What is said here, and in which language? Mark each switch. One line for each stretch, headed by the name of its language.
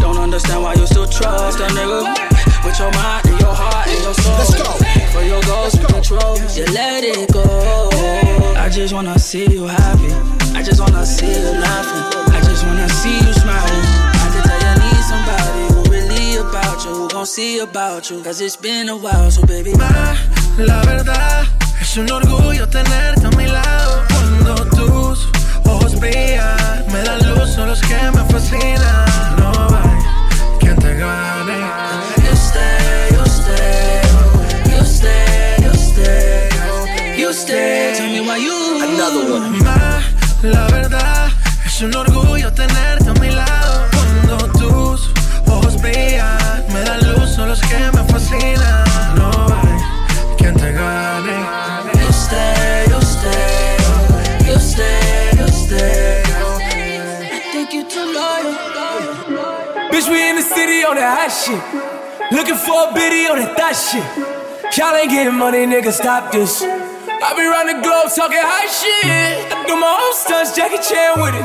English: Don't understand why you still trust that nigga. With your mind and your heart and your soul. Let's go. For your goals, you control, you let it go. I just wanna see you happy. I just wanna see you laughing. I just wanna see you smiling. I can tell you need somebody who really about you. Who gon' see about you? Cause it's been a while, so baby.
Spanish: Ma, la verdad, es un orgullo tenerte a mi lado. Cuando tus ojos brillan, me dan luz, son los que me fascinan. No hay quien te gane.
English: Tell me why you. Another one.
Spanish: Ma, la verdad, es un orgullo tenerte a mi lado. Cuando tus ojos brillan, me dan luz, son los que me fascinan. No hay quien te gane.
English: You stay, you stay, you stay, you stay. I think you too loyal. Bitch, we in the city on that hot shit. Looking for a bitty on that thot shit. Y'all ain't getting money, nigga, stop this. I be round the globe talking high shit. I do my own stunts, Jackie Chan with it.